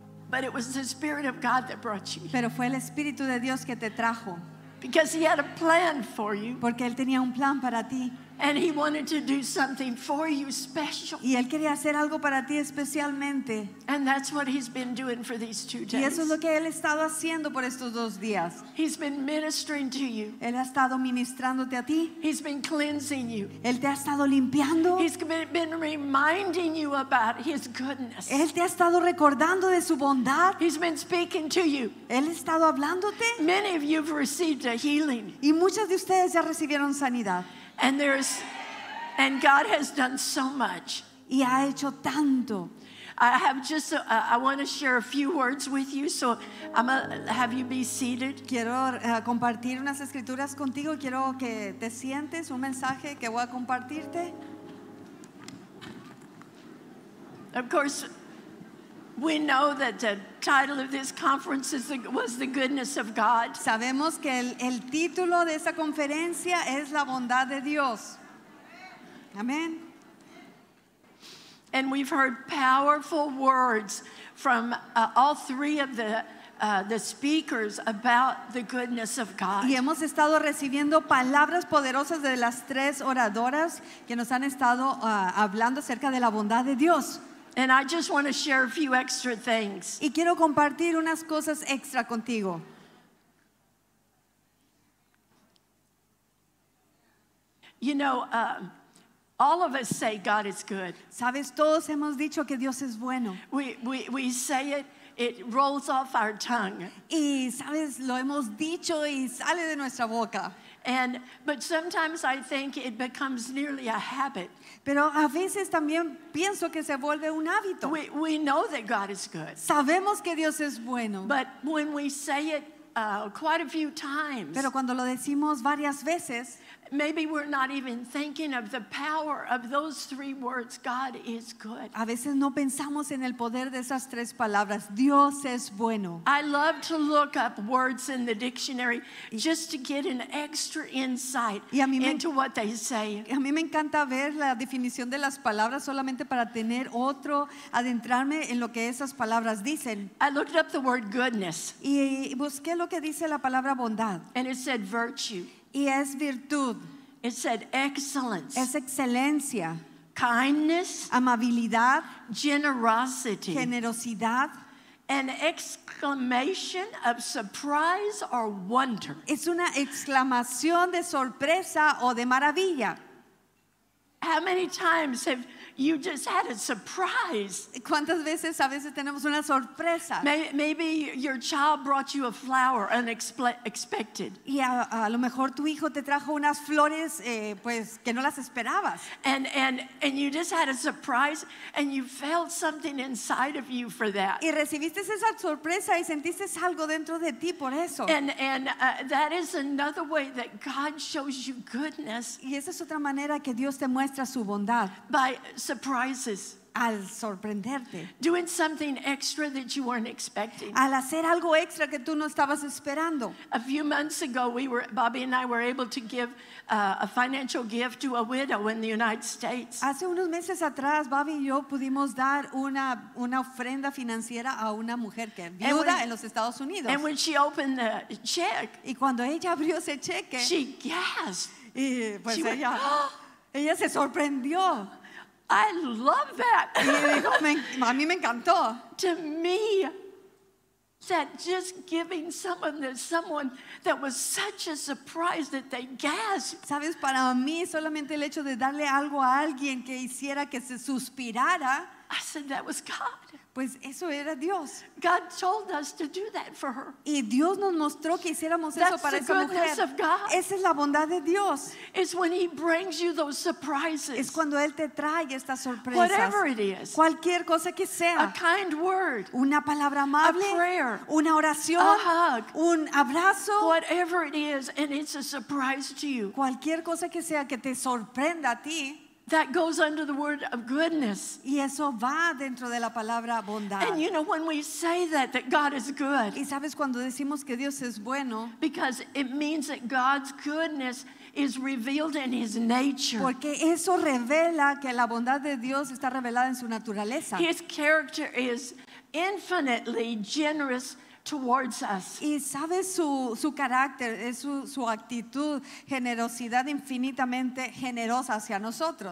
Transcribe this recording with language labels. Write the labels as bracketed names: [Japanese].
[English] But it was the Spirit of God that brought you. [Spanish] Pero fue el Espíritu de Dios que te trajo. [English] Because he had a plan for you. [Spanish] Porque él tenía un plan para ti. [English] And he wanted to do something for you special. [Spanish] Y él quería hacer algo para ti especialmente. [English] And that's what he's been doing for these 2 days. [Spanish] Y eso es lo que él ha estado haciendo por estos 2 días. [English] He's been ministering to you. [Spanish] Él ha estado ministrándote a ti. [English] He's been cleansing you. [Spanish] Él te ha estado limpiando. [English] He's been reminding you about his goodness. [Spanish] Él te ha estado recordando de su bondad. [English] He's been speaking to you. [Spanish] Él ha estado hablándote. [English] Many of you have received a healing. [Spanish] Y muchos de ustedes ya recibieron sanidad. [English] And God has done so much. [Spanish] Y ha hecho tanto. [English] I want to share a few words with you, so I'm gonna have you be seated. [Spanish] Quiero compartir unas escrituras contigo. Quiero que te sientes. Un mensaje que voy a compartirte. [English] Of course, we know that the title of this conference was the goodness of God. [Spanish] Sabemos que el título de esta conferencia es la bondad de Dios. [English] Amen. And we've heard powerful words from all three of the speakers about the goodness of God. [Spanish] Y hemos estado recibiendo palabras poderosas de las tres oradoras que nos han estado hablando acerca de la bondad de Dios. [English] And I just want to share a few extra things. [Spanish] Y quiero compartir unas cosas extra contigo. [English] You know, all of us say God is good. [Spanish] Sabes, todos hemos dicho que Dios es bueno. [English] We say it, it rolls off our tongue. [Spanish] Y sabes, lo hemos dicho y sale de nuestra boca. [English] But sometimes I think it becomes nearly a habit. [Spanish] Pero a veces también pienso que se vuelve un hábito. [English] We know that God is good. [Spanish] Sabemos que Dios es bueno. [English] But when we say it quite a few times. [Spanish] Pero cuando lo decimos varias veces. [English] Maybe we're not even thinking of the power of those three words, God is good. [Spanish] A veces no pensamos en el poder de esas tres palabras, Dios es bueno. [English] I love to look up words in the dictionary just to get an extra insight into what they say. [Spanish] A mí me encanta ver la definición de las palabras solamente para tener otro, adentrarme en lo que esas palabras dicen. [English] I looked up the word goodness. [Spanish] Y busqué lo que dice la palabra bondad. [English] And it said virtue. [Spanish] Y es virtud. [English] It said excellence. [Spanish] Es excelencia. [English] Kindness. [Spanish] Amabilidad. [English] Generosity. [Spanish] Generosidad. [English] An exclamation of surprise or wonder. [Spanish] Es una exclamación de sorpresa o de maravilla. [English] How many times have you just had a surprise? [Spanish] ¿Cuántas veces a veces tenemos una sorpresa? [English] Maybe your child brought you a flower unexpected. [Spanish] Y a lo mejor tu hijo te trajo unas flores pues que no las esperabas. [English] And you just had a surprise and you felt something inside of you for that. [Spanish] Y recibiste esa sorpresa y sentiste algo dentro de ti por eso. [English] And that is another way that God shows you goodness. [Spanish] Y esa es otra manera que Dios te muestra su bondad. [English] By surprises. [Spanish] Al sorprenderte. [English] Doing something extra that you weren't expecting. [Spanish] Al hacer algo extra que tú no estabas esperando. [English] A few months ago, Bobby and I were able to give a financial gift to a widow in the United States. [Spanish] Hace unos meses atrás, Bobby y yo pudimos dar una ofrenda financiera a una mujer que es viuda en los Estados Unidos. [English] And when she opened the check, [Spanish] y cuando ella abrió ese cheque, [English] she gasped. [Spanish] Y pues [English] she [Spanish] ella, [English] went, [Spanish] ella se sorprendió. [English] I love that. [Spanish] A mí me encantó. [English] To me, that just giving someone that was such a surprise that they gasped. [Spanish] Sabes, para mí solamente el hecho de darle algo a alguien que hiciera que se suspirara. [English] I said that was God. [Spanish] Pues eso era Dios. [English] God told us to do that for her. [Spanish] Y Dios nos mostró que hiciéramos [English] That's [Spanish] eso para esa mujer. [English] That's the goodness of God. [Spanish] Esa es la bondad de Dios. [English] It's when He brings you those surprises. [Spanish] Es cuando Él te trae estas sorpresas. [English] Whatever it is. [Spanish] Cualquier cosa que sea. [English] A kind word. [Spanish] Una palabra amable. [English] A prayer. [Spanish] Una oración. [English] A hug. [Spanish] Un abrazo. [English] Whatever it is, and it's a surprise to you. [Spanish] Cualquier cosa que sea que te sorprenda a ti. [English] That goes under the word of goodness. [Spanish] Y eso va dentro de la palabra bondad. [English] And you know when we say that God is good. [Spanish] Y sabes cuando decimos que Dios es bueno. [English] Because it means that God's goodness is revealed in His nature. [Spanish] Porque eso revela que la bondad de Dios está revelada en su naturaleza. [English] His character is infinitely generous towards us. [Spanish] Y sabes su carácter, su actitud, generosidad infinitamente generosa hacia nosotros.